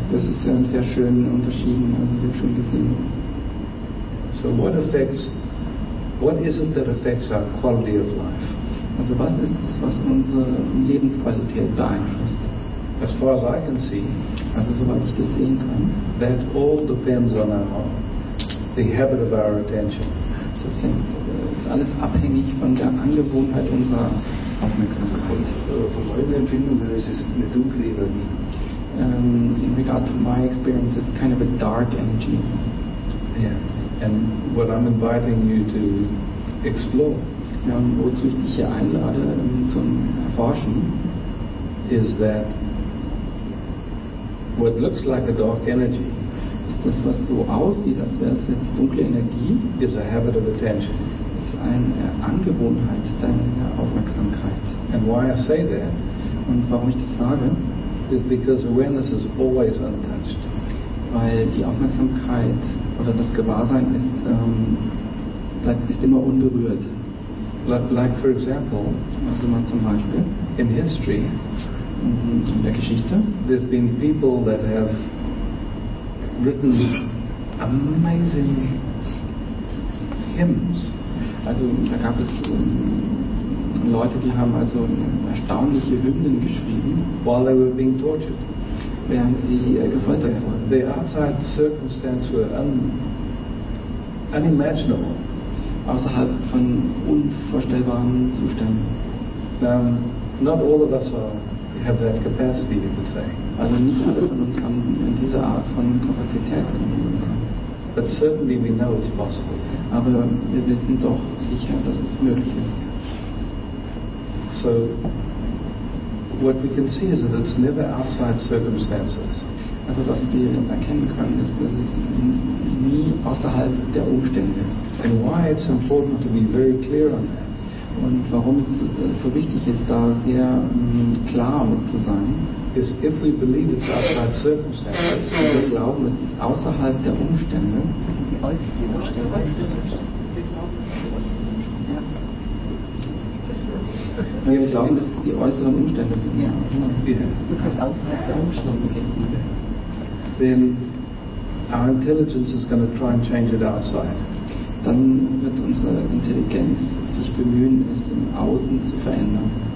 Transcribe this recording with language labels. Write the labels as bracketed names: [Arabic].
[German] Das ist sehr schön unterschieden, also sehr schön gesehen. [English] So what affects, what is it that affects our quality of life? [German] Also was ist es, was unsere Lebensqualität beeinflusst? [English] As far as I can see, [German] also soweit ich das sehen kann, [English] that all depends on our heart, the habit of our attention. [German] Das ist alles abhängig von der Angewohnheit unserer Aufmerksamkeit. Von meinem Empfinden her ist es eine dunkle Energie. [English] In regard to my experience, it's kind of a dark energy. Yeah. And what I'm inviting you to explore. [German] Ja, und wozu ich dich hier einlade zum Erforschen, [English] ist, that what looks like a dark energy, [German] ist das, was so aussieht, als wäre es jetzt dunkle Energie, [English] is a habit of attention. [German] Ist eine Angewohnheit deiner Aufmerksamkeit. [English] And why I say that, [German] und warum ich das sage, [English] is because awareness is always untouched. [German] Weil die Aufmerksamkeit oder das Gewahrsein ist, ist immer unberührt. [English] Like for example, [German] also mal zum Beispiel, [English] in history, [German] in der Geschichte, [English] there's been people that have written amazing hymns. [German] Also da gab es Leute, die haben also erstaunliche Hymnen geschrieben, [English] while they were being tortured, [German] während sie gefoltert wurden. [English] The outside circumstances were unimaginable. [German] Außerhalb von unvorstellbaren Zuständen. [English] Not all of us have that capacity, you could say. [German] Also nicht alle von uns haben diese Art von Kapazität. [English] But certainly we know it's possible. [German] Aber wir wissen doch sicher, dass es möglich ist. [English] So, what we can see is that it's never outside circumstances. [German] Also was wir erkennen können, ist, dass es nie außerhalb der Umstände. [English] And why it's important to be very clear on that. [German] Und warum es so wichtig ist, da sehr klar mit zu sein, [English] is if we believe it's outside circumstances, [German] wenn wir glauben, es ist außerhalb der Umstände, das sind die äußeren Umstände. Wir glauben, es sind die äußeren Umstände. Wir glauben, es die äußeren Umstände. Ja. Ja. Das heißt, außerhalb der Umstände. [English] Then our intelligence is going to try and change it outside. [German] Dann wird unsere Intelligenz sich bemühen, es im Außen zu verändern.